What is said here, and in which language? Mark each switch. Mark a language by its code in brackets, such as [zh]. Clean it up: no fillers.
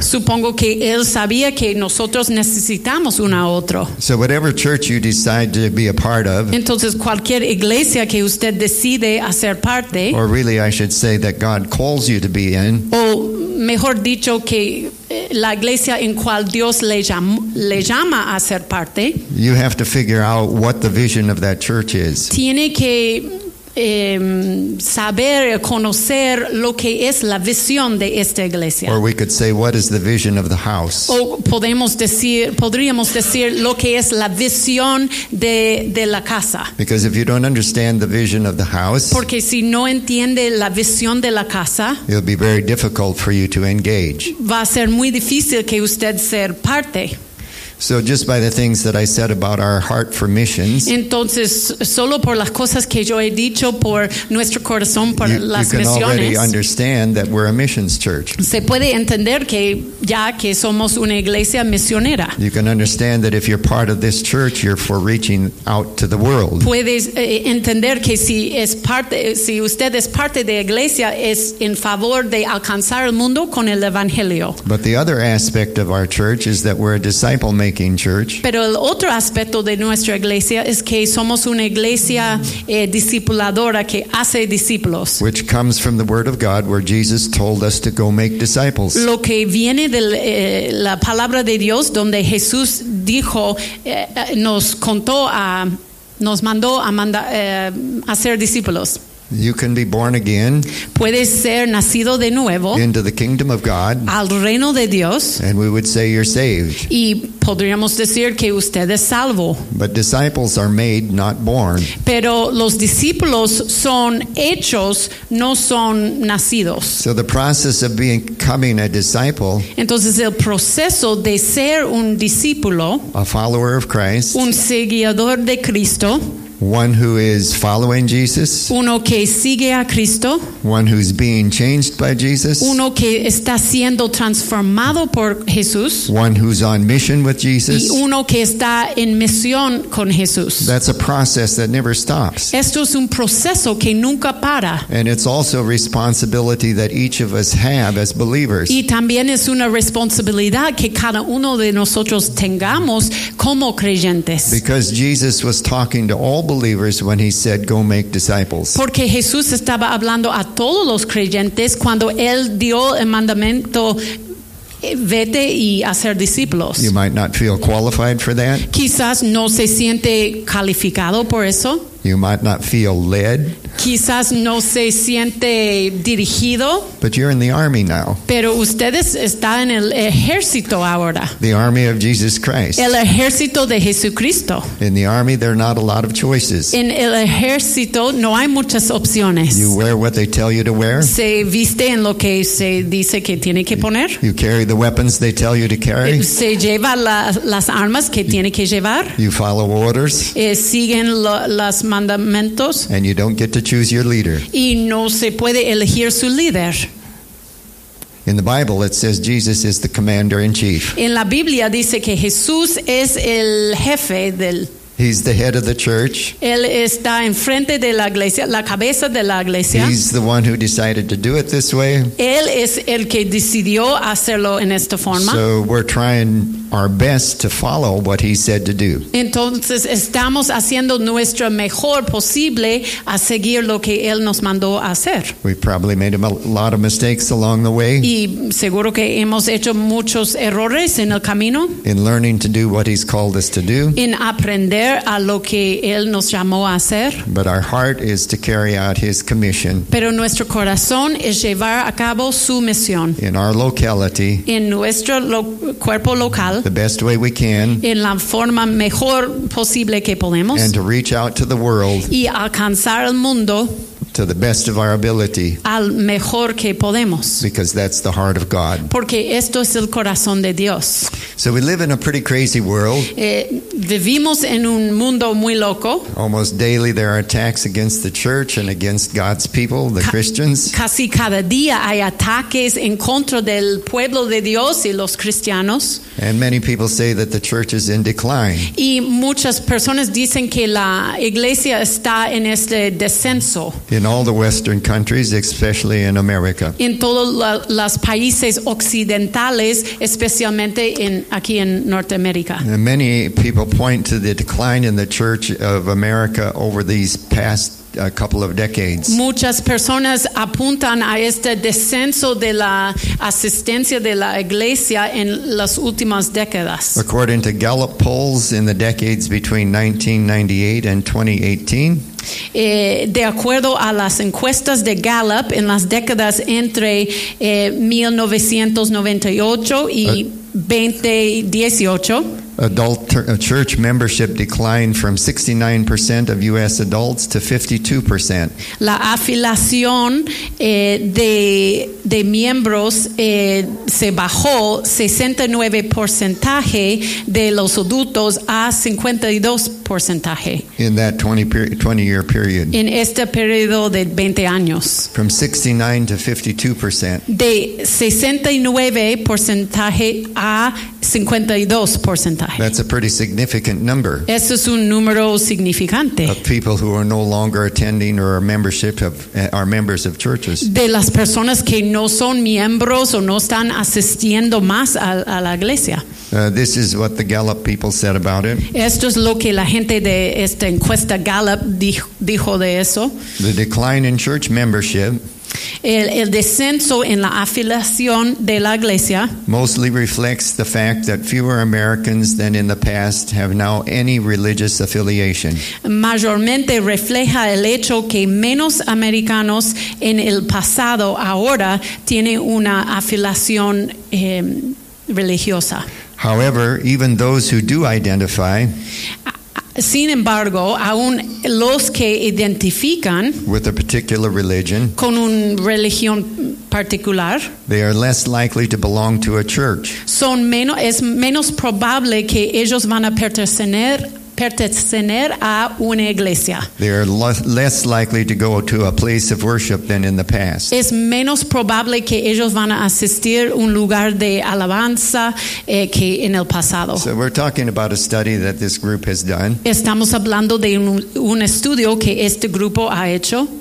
[es] Supongo que él sabía que nosotros necesitamos uno a otro. [en] So whatever church you decide to be a part of. [es] Entonces cualquier iglesia que usted decide hacer parte. [en] Or really I should say that God calls you to be in. [es] O mejor dicho que la iglesia en cual Dios le llama a ser parte. [en] You have to figure out what the vision of that church is. [es] Tiene que saber, conocer lo que es la visión de esta iglesia. [en] Or we could say, what is the vision of the house? [es] O podríamos decir lo que es la visión de la casa. [en] Because if you don't understand the vision of the house, [es] porque si no entiende la visión de la casa, [en] it'll be very difficult for you to engage. [es] Va a ser muy difícil que usted sea parte. [en] So just by the things that I said about our heart for missions. [es] Entonces, solo por las cosas que yo he dicho por nuestro corazón por las misiones. [en] You can already understand that we're a missions church. [es] Se puede entender que ya que somos una iglesia misionera. [en] You can understand that if you're part of this church, you're for reaching out to the world. [es] Puedes entender que si usted es parte de iglesia es en favor de alcanzar el mundo con el evangelio. [en] But the other aspect of our church is that we're a disciple making church. [es] Pero el otro aspecto de nuestra iglesia es que somos una iglesia discipuladora que hace discípulos. [en] Which comes from the word of God where Jesus told us to go make disciples. [es] Lo que viene de la palabra de Dios donde Jesús dijo nos contó a nos mandó a mandar hacer discípulos. [en] You can be born again. [es] Puedes ser nacido de nuevo. [en] Into the kingdom of God. [es] Al reino de Dios. [en] And we would say you're saved. [es] Y podríamos decir que usted es salvo. [en] But disciples are made, not born. [es] Pero los discípulos son hechos, no son nacidos. [en] So the process of becoming a disciple. [es] Entonces el proceso de ser un discípulo. [en] A follower of Christ. [es] Un seguidor de Cristo. [en] One who is following Jesus. [es] Uno que sigue a Cristo. [en] One who's being changed by Jesus. [es] Uno que está siendo transformado por Jesús. [en] One who's on mission with Jesus. [es] Y uno que está en misión con Jesús. [en] That's a process that never stops. [es] Esto es un proceso que nunca para. [en] And it's also a responsibility that each of us have as believers. [es] Y también es una responsabilidad que cada uno de nosotros tengamos como creyentes. [en] Because Jesus was talking to all believers when he said go make disciples. [es] Porque Jesús estaba hablando a todos los creyentes cuando él dio el mandamiento vete y hacer discípulos. [en] You might not feel qualified for that. [es] Quizás no se siente calificado por eso. [en] You might not feel led. [es] Quizás no se siente dirigido. [en] But you're in the army now. [es] Pero ustedes están en el ejército ahora. [en] The army of Jesus Christ. [es] El ejército de Jesucristo. [en] In the army, there are not a lot of choices. [es] En el ejército no hay muchas opciones. [en] You wear what they tell you to wear. [es] Se viste en lo que se dice que tiene que poner. [en] You carry the weapons they tell you to carry. [es] Se lleva las armas que tiene que llevar. [en] You follow orders. [es] Siguen las mandamientos. [en] And you don't get to choose your leader. [es] Y no se puede elegir su líder. [en] In the Bible, it says Jesus is the commander in chief. [es] En la Biblia dice que Jesús es el jefe del. [en] He's the head of the church. [es] Él está enfrente de la iglesia, la cabeza de la iglesia. [en] He's the one who decided to do it this way. [es] Él es el que decidió hacerlo en esta forma. [en] So we're trying our best to follow what he said to do. [es] Entonces estamos haciendo nuestro mejor posible a seguir lo que él nos mandó a hacer. [en] We probably made a lot of mistakes along the way. [es] Y seguro que hemos hecho muchos errores en el camino. [en] In learning to do what he's called us to do. [es] En aprender a lo que él nos llamó a hacer. [en] But our heart is to carry out his commission. [es] Pero nuestro corazón es llevar a cabo su misión. [en] In our locality. [es] En nuestro cuerpo local. [en] The best way we can. [es] En la forma mejor posible que podemos. [en] And to reach out to the world. [es] Y alcanzar el mundo. [en] To the best of our ability. [es] Al mejor que podemos. [en] Because that's the heart of God. [es] Porque esto es el corazón de Dios. [en] So we live in a pretty crazy world. [es] Vivimos en un mundo muy loco. [en] Almost daily there are attacks against the church and against God's people, the Christians. [es] Casi cada día hay ataques en contra del pueblo de Dios y los cristianos. [en] And many people say that the church is in decline. [es] Y muchas personas dicen que la iglesia está en este descenso. [en] In all the Western countries, especially in America. [es] En todos los países occidentales, especialmente aquí en Norteamérica. [en] And many people point to the decline in the church of America over these past a couple of decades. [es] Muchas personas apuntan a este descenso de la asistencia de la iglesia en las últimas décadas. [en] According to Gallup polls in the decades between 1998 and 2018. [es] De acuerdo a las encuestas de Gallup en las décadas entre 1998 y 2018. [en] adult church membership declined from 69% of U.S. adults to 52%. [es] La afiliación de miembros se bajó 69% de los adultos a 52%. [en] In that 20-year period. [es] En este periodo de 20 años. [en] From 69 to 52%. [es] De 69% a 52%. [en] That's a pretty significant number. [es] Eso es un número significante. [en] Of people who are no longer attending or are members of churches. [es] De las personas que no son miembros o no están asistiendo más a la iglesia. [en] This is what the Gallup people said about it. [es] Esto es lo que la gente de esta encuesta Gallup dijo de eso. [en] The decline in church membership. [es] El descenso en la afiliación de la iglesia [en] mostly reflects the fact that fewer Americans than in the past have now any religious affiliation. [es] Mayormente refleja el hecho que menos americanos en el pasado ahora tienen una afiliación religiosa. [en] However, even those who do identify, [es] sin embargo, aún los que identifican [en] with a particular religion, [es] con una religión particular, [en] they are less likely to belong to a church. [es] Son menos, es menos probable que ellos van a pertenecer a una iglesia. [en] They are less likely to go to a place of worship than in the past. [es] Es menos probable que ellos van a asistir un lugar de alabanza que en el pasado. [en] So we're talking about a study that this group has done. [es] Estamos hablando de un estudio que este grupo ha hecho.